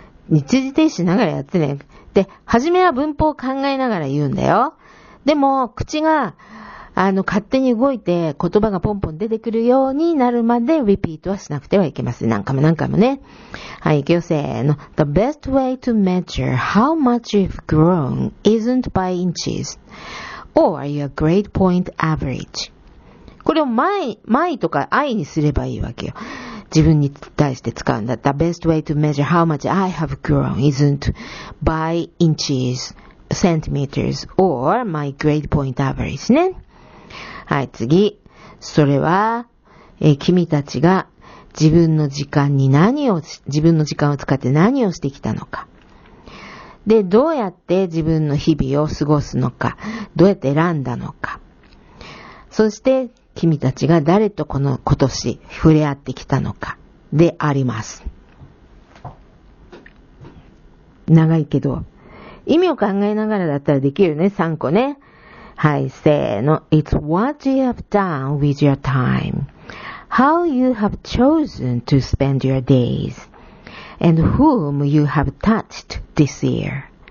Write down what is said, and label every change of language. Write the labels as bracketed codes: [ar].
[ja] 一時停止しながらやってね。で、初めは文法を考えながら言うんだよ。でも、口が、勝手に動いて言葉がポンポン出てくるようになるまでリピートはしなくてはいけません。何回も何回もね。はい、行くよ、せーの。 [en] The best way to measure how much you've grown isn't by inches or your grade point average. [ja] これを my とか I にすればいいわけよ。自分に対して使うんだ。 [en] The best way to measure how much I have grown isn't by inches, centimeters or my grade point average ね。 [ja] はい、次。それは、君たちが自分の時間に自分の時間を使って何をしてきたのか。で、どうやって自分の日々を過ごすのか。どうやって選んだのか。そして、君たちが誰とこの今年触れ合ってきたのか。であります。長いけど、意味を考えながらだったらできるね、3個ね。はい、せーの。 [en] It's what you have done with your time, how you have chosen to spend your days, and whom you have touched this year.